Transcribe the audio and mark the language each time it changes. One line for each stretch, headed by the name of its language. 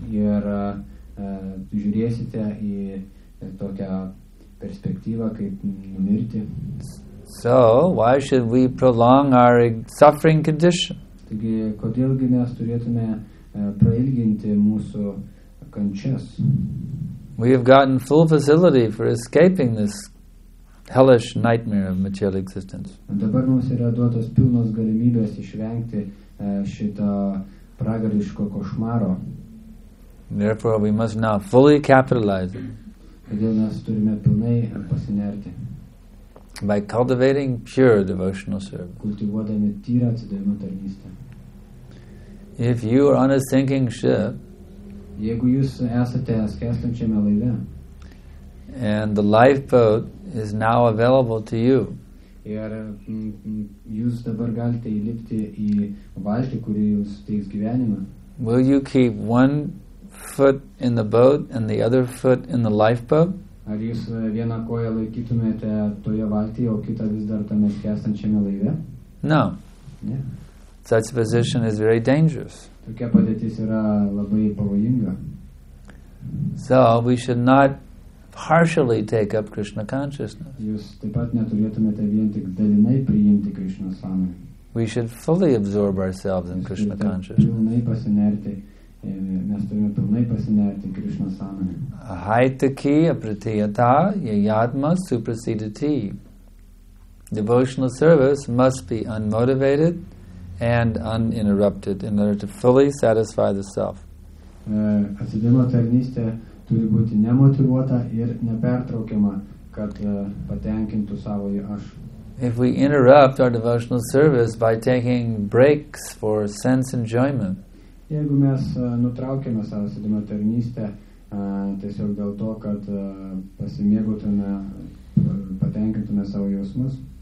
Lithuanian: Ir žiūrėsite į tokią perspektyvą kaip numirti.
English: So, why should we prolong our suffering condition?
Lithuanian: Taigi, kodėlgi mes turėtume prailginti mūsų kančias?
English: We have gotten full facility for escaping this hellish nightmare of material existence.
Lithuanian: Dabar mums yra duotas pilnos galimybės išvengti šito pragariško košmaro.
English: Therefore, we must now fully capitalize it.
Lithuanian: Kodėl mes turime pilnai pasinerti?
English: By cultivating pure devotional service.
Lithuanian: Kultivuodami tyrą atsidavimo tarnystę.
English: If you are on a sinking ship,
Lithuanian: jeigu jūs esate skęstančiame laive,
English: and the lifeboat is now available to you,
Lithuanian: ir jūs dabar galite įlipti į valtį, kuri jums teiks gyvenimą,
English: will you keep one foot in the boat and the other foot in the lifeboat?
Lithuanian: Ar jūs vieną koją laikytumėte toje valtyje, o kitą vis dar tame skęstančiame laive?
English: No. Yeah. Such a position is very dangerous.
Lithuanian: Tokia padėtis yra labai pavojinga.
English: So we should not partially take up Krishna consciousness.
Lithuanian: Jūs taip pat neturėtumėte vien tik dalinai priimti Krishna sąmonę.
English: We should fully absorb ourselves in Krishna consciousness.
Lithuanian: Pilnai pasinerti. Mes turime pilnai pasinerti Krishna sąmonę. Ahaitaki apritiyata yayatma supersedati.
English: Devotional service must be unmotivated and uninterrupted in order to fully satisfy the self.
Lithuanian: Atsidavimo tarnystė turi būti nemotivuota ir nepertraukiama, kad patenkintų savo aš.
English: If we interrupt our devotional service by taking breaks for sense enjoyment,
Lithuanian: jeigu mes nutraukėme savo atsidavimo tarnystę tiesiog dėl to, kad pasimėgautume, patenkintume savo jausmus,